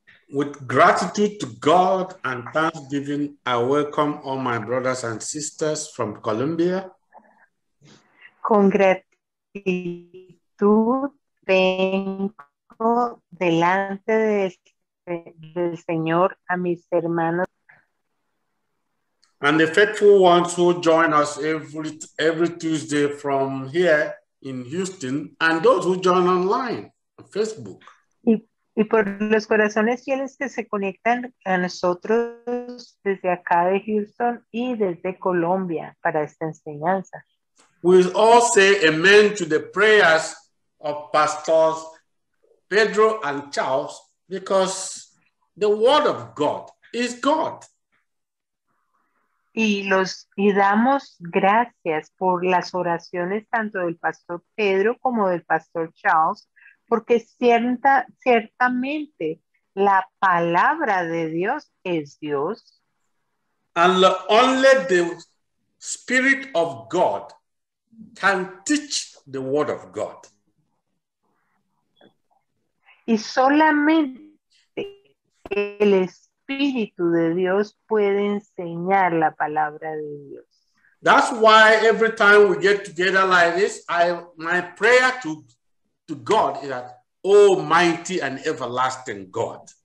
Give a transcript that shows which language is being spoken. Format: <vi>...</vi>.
<en>With gratitude to God and thanksgiving, I welcome all my brothers and sisters from Colombia.</en> <es>Con gratitud vengo delante del Señor a mis hermanos.</es> <en>And the faithful ones who join us every Tuesday from here in Houston, and those who join online on Facebook.</en> <es>Y por los corazones fieles que se conectan a nosotros desde acá de Houston y desde Colombia para esta enseñanza.</es> <en>We'll all say amen to the prayers of pastors Pedro and Charles because the word of God is God.</en> <es>Y damos gracias por las oraciones tanto del pastor Pedro como del pastor Charles. Porque ciertamente la palabra de Dios es Dios.</es> <en>And only the Spirit of God can teach the Word of God.</en> <es>Y solamente el Espíritu de Dios puede enseñar la palabra de Dios.</es> <en>That's why every time we get together like this, my prayer to God is that, oh, mighty and everlasting God.</en>